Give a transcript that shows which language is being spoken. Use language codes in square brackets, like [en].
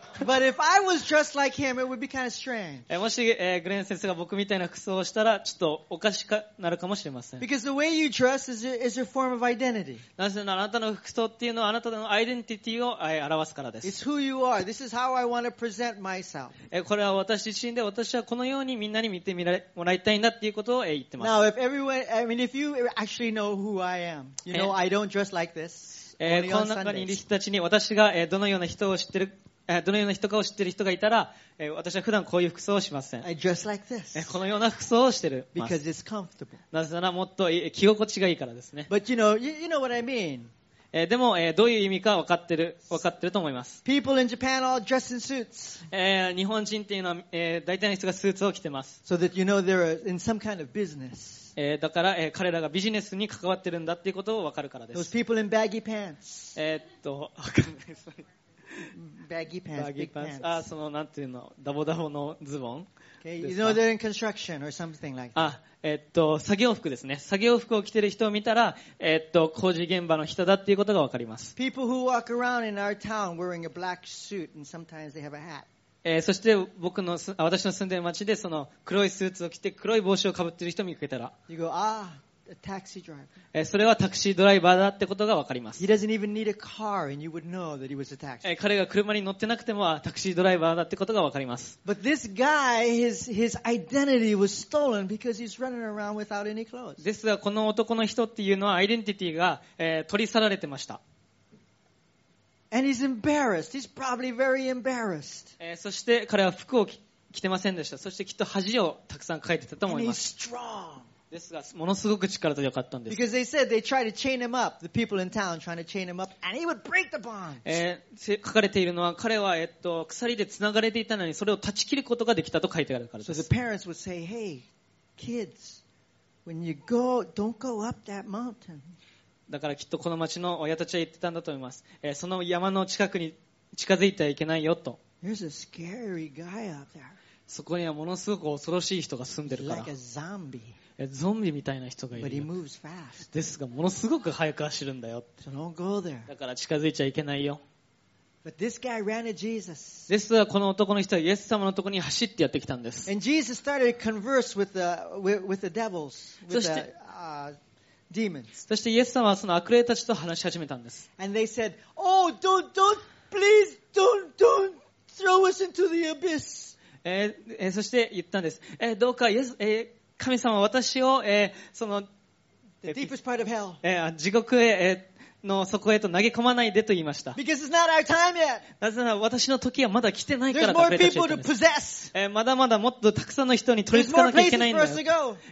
[en] But if I was dressed like him, it would be kind of strange. [ja] もし、グレン先生が僕みたいな服装をしたら、ちょっとおかしくなるかもしれません。 [en] Because the way you dress is a form of identity. [ja] なぜなら、あなたの服装っていうのは、あなたのアイデンティティを表すからです。 [en] It's who you are. This is how I want to present myself. [ja] これは私自身で、私はこのようにみんなに見てみられもらいたいんだっていうことを言ってます。 [en] Now, if everyone, I mean, if you actually know who I am, you know, I don't dress like this. [ja] この中にいる人たちに、私が、どのような人を知ってるどのような人かを知っている人がいたら私は普段こういう服装をしません。 [en] I dress like this. [ja] このような服装をしている。 [en] Because it's comfortable. [ja] なぜならもっと着心地がいいからですね。 [en] But you know what I mean. [ja] でもどういう意味か分かってると思います。 [en] People in Japan all dress in suits. [ja] 日本人っていうのは大体の人がスーツを着てます。 [en] So that you know they're in some kind of business. [ja] だから、彼らがビジネスに関わってるんだっていうことを分かるからです。 [en] Those people in baggy pants. [ja] 分かんないです。 [en] Baggy pants, big pants. [ja] Ah, そのなんていうのダボダボのズボン。 [en] Okay, you know they're in construction or something like that. [ja] あ、作業服ですね。作業服を着てる人を見たら、工事現場の人だっていうことがわかります。 [en] People who walk around in our town wearing a black suit and sometimes they have a hat. [ja] そして私の住んでる街でその黒いスーツを着て黒い帽子をかぶってる人を見かけたら、 [en] You go, ah. A taxi driver. [ja] それはタクシードライバーだってことがわかります。 [en] He doesn't even need a car, and you would know that he was a taxi. [ja] 彼が車に乗ってなくてもタクシードライバーだってことがわかります。 [en] But this guy, his identity was stolen because he's running around without any clothes. [ja] ですがこの男の人っていうのはアイデンティティが、取り去られてました。 [en] And he's embarrassed. He's probably very embarrassed. [ja] そして彼は服を着てませんでした。そしてきっと恥をたくさん抱えてたと思います。 [en] And he's strong. [ja] ですがものすごく力強かったんです。 [en] Because they said they tried to chain him up, the people in town trying to chain him up, and he would break the bonds. [ja] 書かれているのは彼は鎖で繋がれていたのにそれを断ち切ることができたと書いてあるからです。 [en] So the parents would say, "Hey, kids, when you go, don't go up that mountain." [ja] だからきっとこの町の親たちは言ってたんだと思います。その山の近くに近づいてはいけないよと。 [en] There's a scary guy up there. [ja] そこにはものすごく恐ろしい人が住んでるから。 [en] Like a zombie. [ja] ゾンビみたいな人がいる。 [en] But he moves fast. [ja] ですがものすごく速く走るんだよ。 [en] So don't go there. [ja] だから近づいちゃいけないよ。 [en] But this guy ran to Jesus. [ja] ですがこの男の人はイエス様のところに走ってやってきたんです。 [en] And Jesus started to converse with the devils, with the demons. [ja] そしてイエス様はその悪霊たちと話し始めたんです。 [en] And they said, Oh, don't, please, don't throw us into the abyss. [ja] そして言ったんです。どうかイエス神様私を、その [en] The deepest part of hell. [ja] 地獄へ、の底へと投げ込まないでと言いました。 [en] Because it's not our time yet. [ja] なぜなら私の時はまだ来てないからと。 [en] There's more people to possess. [ja] まだまだもっとたくさんの人に取り付かなきゃいけないんだよ。